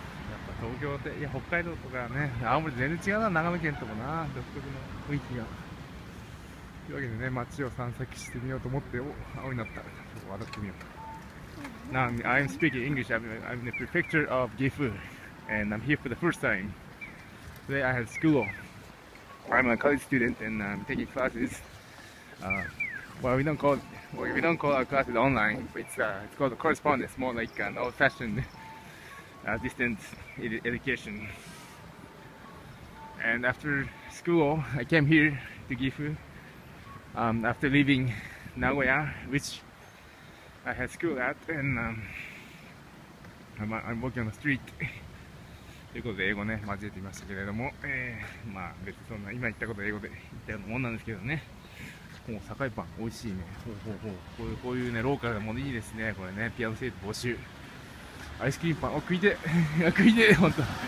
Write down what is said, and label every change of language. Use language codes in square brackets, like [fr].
[ja] やっぱ東京って、いや、北海道とかね、青森全然違うな、長野県ともな、独特の雰囲気が。というわけでね、街を散策してみようと思って、お、青になった。ちょっと笑ってみようか。 [en] I'm speaking English. I'm in the prefecture of Gifu. And I'm here for the first time. Today I have school. I'm a college student and I'm taking classes. Well, we don't call our classes online. It's called a correspondence, more like an old-fashioned distance education. And after school, I came here to Gifu. After leaving Nagoya, which I had school at, and I'm walking on the street. [ja] ということで英語ね交えていましたけれども、まあ別にそんな今言ったこと英語で言ったようなもんなんですけどね。もう境パン美味しいね。こういうねローカルなものいいですね。これねピアノ生徒募集。アイスクリームパン食いて食いて本当。